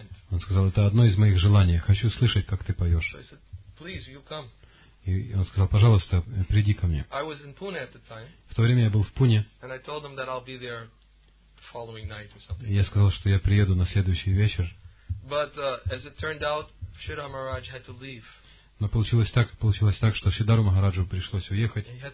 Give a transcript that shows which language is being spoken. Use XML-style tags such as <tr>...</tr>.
<ru>Он сказал, это одно из моих желаний, хочу слышать, как ты поешь.</ru> <en>So said, please, you come.</en> <ru>И он сказал, пожалуйста, приди ко мне.</ru> <en>I was in Pune at the time,</en> <ru>в то время я был в Пуне.</ru> <en>And I told them that I'll be there the following night or something.</en> <ru>Я сказал, что я приеду на следующий вечер.</ru> <en>But as it turned out, Shridhar Maharaj had to leave.</en> <ru>Но получилось так, что Шридхару Махараджу пришлось уехать.</ru>